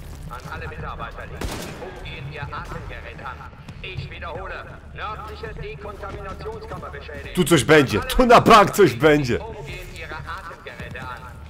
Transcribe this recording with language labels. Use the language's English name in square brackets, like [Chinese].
[German] An alle Mitarbeiter, legen Sie umgehend Ihr Atemgerät an. Ich wiederhole, nördliche Dekontaminationskammer beschädigt. [Polish] Tu coś będzie, tu na bank coś będzie. [German] Umgehend Ihre Atemgeräte an.